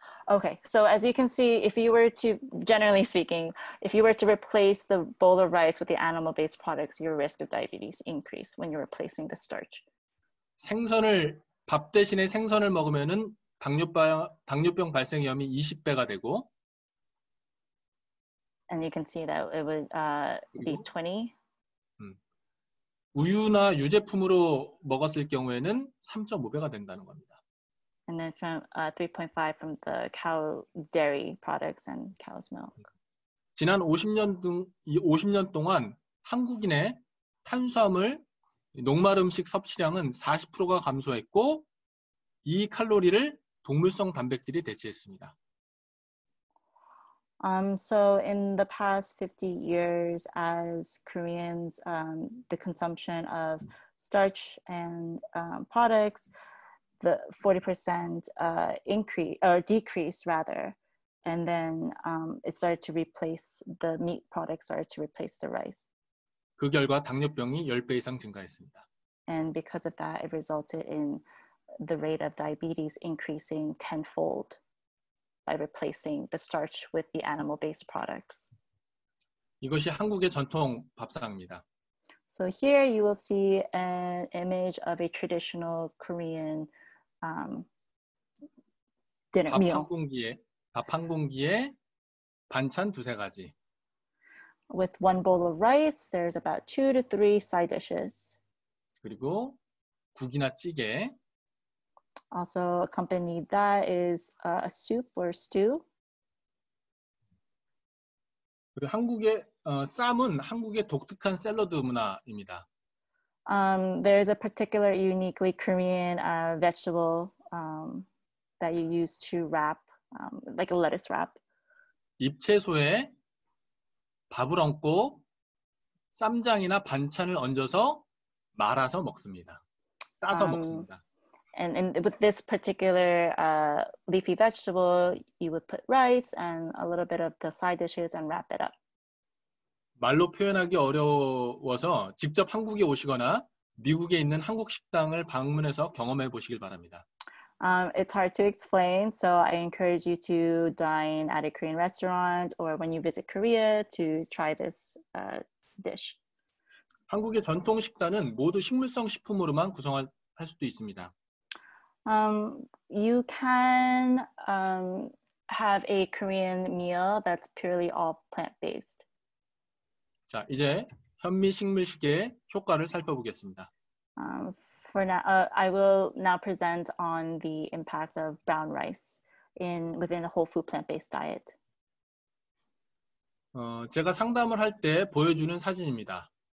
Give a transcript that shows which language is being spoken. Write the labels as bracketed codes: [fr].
[en] Okay, so as you can see, if you were to, generally speaking, if you were to replace the bowl of rice with the animal-based products, your risk of diabetes increase when you're replacing the starch. [ko] 생선을, 밥 대신에 생선을 먹으면은 당뇨병 발생 위험이 20배가 되고. [en] And you can see that it would be 20. [ko] 우유나 유제품으로 먹었을 경우에는 3.5배가 된다는 겁니다. [en] And then from 3.5 from the cow dairy products and cow's milk. [ko] 지난 50년 동안 한국인의 탄수화물 녹말 음식 섭취량은 40%가 감소했고 이 칼로리를 동물성 단백질이 대체했습니다. [en] So in the past 50 years, as Koreans, the consumption of starch and products. The 40% decrease, and then it started to replace the meat products, started to replace the rice. [ko] 그 결과 당뇨병이 10배 이상 증가했습니다. [en] And because of that, it resulted in the rate of diabetes increasing tenfold by replacing the starch with the animal-based products. [ko] 이것이 한국의 전통 밥상입니다. [en] So here you will see an image of a traditional Korean dinner [ko] 밥 [en] meal. [ko] 밥 한 공기에 밥 한 공기에 반찬 두세 가지. [en] With one bowl of rice, there's about two to three side dishes. [ko] 그리고 국이나 찌개. [en] Also accompanied that is a soup or stew. [ko] 그리고 한국의 쌈은 한국의 독특한 샐러드 문화입니다. [en] There's a particular uniquely Korean vegetable that you use to wrap, like a lettuce wrap. [ko] 잎채소에 밥을 얹고 쌈장이나 반찬을 얹어서 말아서 먹습니다. 따서 먹습니다. [en] And with this particular leafy vegetable, you would put rice and a little bit of the side dishes and wrap it up. [ko] 말로 표현하기 어려워서 직접 한국에 오시거나 미국에 있는 한국 식당을 방문해서 경험해 보시길 바랍니다. [en] It's hard to explain, so I encourage you to dine at a Korean restaurant or when you visit Korea to try this dish. [ko] 한국의 전통 식단은 모두 식물성 식품으로만 구성할 수도 있습니다. [en] You can have a Korean meal that's purely all plant-based. [ko] 자, 이제 현미 식물식의 효과를 살펴보겠습니다. [en] For now, I will now present on the impact of brown rice within a whole food plant-based diet. [ko] 제가 상담을 할 때 보여주는 사진입니다.